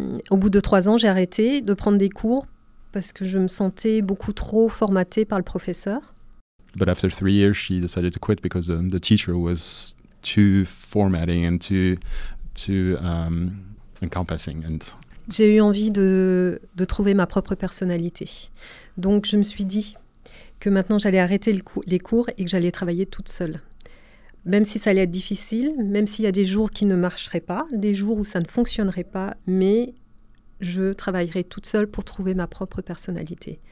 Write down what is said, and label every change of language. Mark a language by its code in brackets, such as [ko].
[fr] Au bout de 3 ans, j'ai arrêté de prendre des cours parce que je me sentais beaucoup trop formatée par le professeur. [en] But after 3 years, she decided to quit because the teacher was too formatting and too encompassing. And [fr] j'ai eu envie de trouver ma propre personnalité. Donc je me suis dit que maintenant j'allais arrêter les cours et que j'allais travailler toute seule. Même si ça allait être difficile, même s'il y a des jours qui ne marcheraient pas, des jours où ça ne fonctionnerait pas, mais je travaillerai toute seule pour trouver ma propre personnalité.